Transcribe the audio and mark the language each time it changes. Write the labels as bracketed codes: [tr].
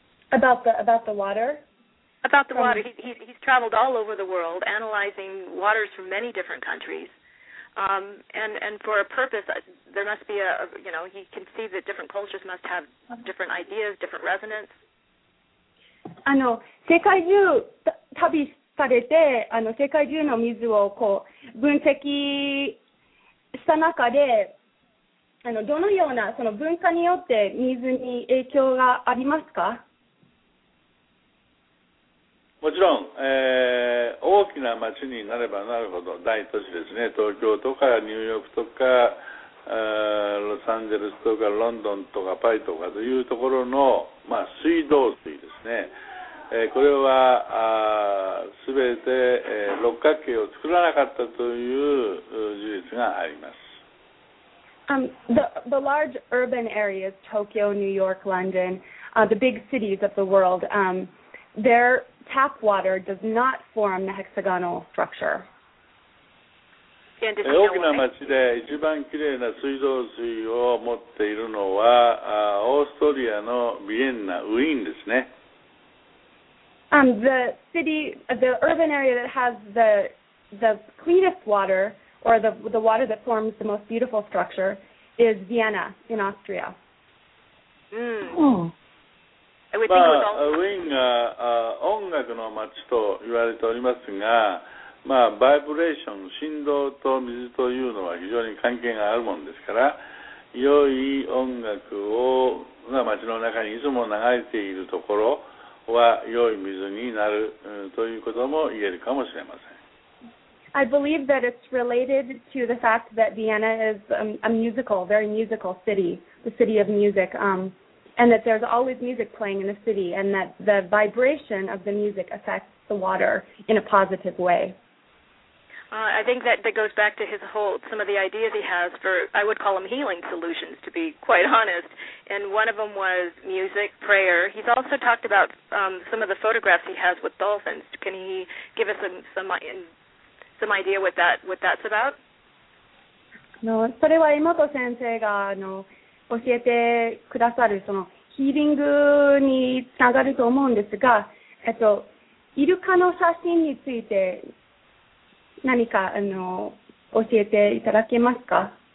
[en] About the water? About the water. He's traveled all over the world analyzing waters from many different countries. And for a purpose, there must be he can see that different cultures must have different ideas, different resonance. [ja] 世界中旅されて世界中の水をこう分析した中でどのようなその文化によって水に影響がありますか？もちろん、大きな町になればなるほど大都市ですね、東京とかニューヨークとかロサンゼルスとかロンドンとかパリとかというところの、水道水ですね、これはすべて、六角形を作らなかったという事実があります。 [en] The large urban areas, Tokyo, New York, London, the big cities of the world, their tap water does not form the hexagonal structure. [ja] 大きな町で一番きれいな水道水を持っているのはオーストリアのビエンナ、ウィーンですね。 [en] The city, the urban area that has the cleanest water, or the water that forms the most beautiful structure, is Vienna in Austria. [ja] ウィーンが音楽の街と言われておりますが、バイブレーション、振動と水というのは非常に関係があるものですから、良い音楽を街の中にいつも流れているところは良い水になるということも言えるかもしれません。 [en] I believe that it's related to the fact that Vienna is a musical, very musical city, the city of music, and that there's always music playing in the city, and that the vibration of the music affects the water in a positive way. I think that goes back to his whole, some of the ideas he has for, I would call them healing solutions, to be quite honest. And one of them was music, prayer. He's also talked about some of the photographs he has with dolphins. Can he give us some idea what that's about? [ja] No, それは Emoto 先生が教えてくださるそのヒーリングにつながると思うんですが、イルカの写真について何か教えていただけますか？